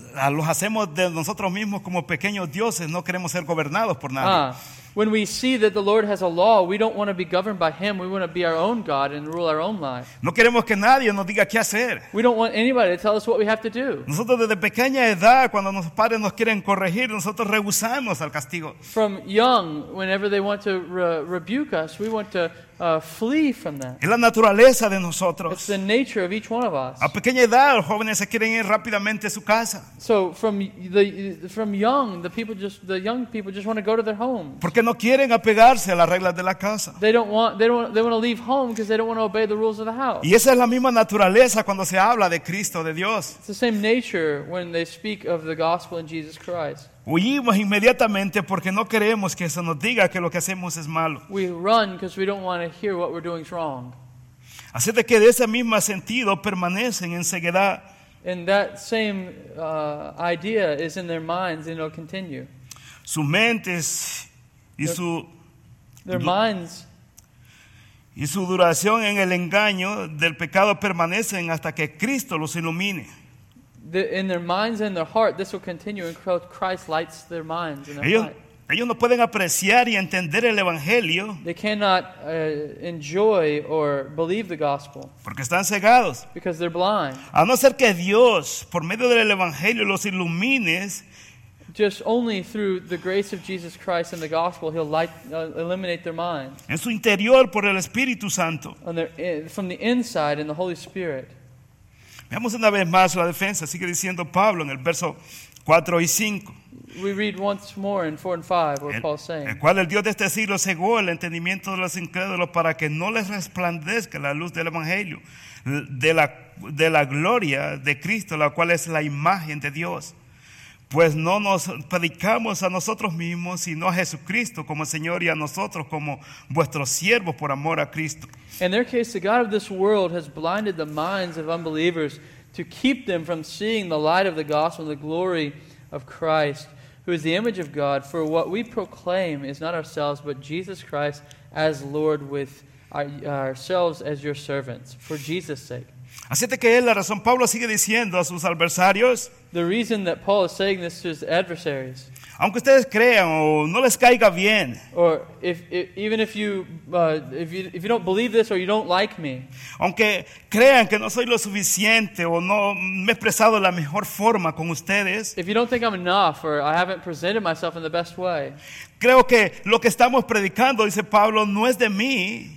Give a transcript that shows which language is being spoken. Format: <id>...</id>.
<es>los hacemos de nosotros mismos como pequeños dioses. No queremos ser gobernados por nadie.</es> <en>When we see that the Lord has a law, we don't want to be governed by Him. We want to be our own God and rule our own life.</en> <es>No queremos que nadie nos diga qué hacer.</es> <en>We don't want anybody to tell us what we have to do.</en> <es>Nosotros desde pequeña edad, cuando nuestros padres nos quieren corregir, nosotros rehusamos al castigo.</es> <en>From young, whenever they want to rebuke us, we want to flee from that.</en> <es>Es la naturaleza de nosotros.</es> <en>It's the nature of each one of us.</en> <es>A pequeña edad, los jóvenes se quieren ir rápidamente a su casa.</es> <en>So from young, the young people just want to go to their home.</en> <es>Porque no quieren apegarse a las reglas de la casa.</es> <en>They want to leave home because they don't want to obey the rules of the house.</en> <es>Y esa es la misma naturaleza cuando se habla de Cristo, de Dios.</es> <en>It's the same nature when they speak of the gospel in Jesus Christ.</en> <es>Huimos inmediatamente porque no queremos que eso nos diga que lo que hacemos es malo.</es> <en>We run because we don't want to hear what we're doing is wrong.</en> <es>Así de que de ese mismo sentido permanecen en ceguedad.</es> <en>And that same idea is in their minds and it'll continue.</en> <es>Sus mentes y su</es> <en>their minds</en> <es>y su duración en el engaño del pecado permanecen hasta que Cristo los ilumine.</es> <en>In their minds and their heart, this will continue until Christ lights their minds and their heart.</en> <es>Ellos no pueden apreciar y entender el evangelio.</es> <en>They cannot enjoy or believe the gospel.</en> <es>Porque están cegados.</es> <en>Because they're blind.</en> <es>A no ser que Dios, por medio del evangelio, los ilumines.</es> <en>Just only through the grace of Jesus Christ and the gospel, He'll illuminate their minds.</en> <es>En su interior, por el Espíritu Santo.</es> <en>From the inside, in the Holy Spirit.</en> <es>Veamos una vez más la defensa, sigue diciendo Pablo en el verso 4 y 5.</es> <en>We read once more in 4 and 5 what Paul's saying.</en> <es>El cual el Dios de este siglo cegó el entendimiento de los incrédulos para que no les resplandezca la luz del Evangelio, de la gloria de Cristo, la cual es la imagen de Dios. Pues no nos predicamos a nosotros mismos, sino a Jesucristo como Señor y a nosotros como vuestros siervos por amor a Cristo.</es> <en>In their case, the God of this world has blinded the minds of unbelievers to keep them from seeing the light of the gospel, the glory of Christ, who is the image of God. For what we proclaim is not ourselves, but Jesus Christ as Lord with ourselves as your servants, for Jesus' sake.</en> <es>Así que es la razón. Pablo sigue diciendo a sus adversarios.</es> <en>The reason that Paul is saying this to his adversaries.</en> <es>Aunque ustedes crean o no les caiga bien.</es> <en>Or if you don't believe this or you don't like me.</en> <es>Aunque crean que no soy lo suficiente o no me he expresado de la mejor forma con ustedes.</es> <en>If you don't think I'm enough or I haven't presented myself in the best way.</en> <es>Creo que lo que estamos predicando, dice Pablo, no es de mí.</es>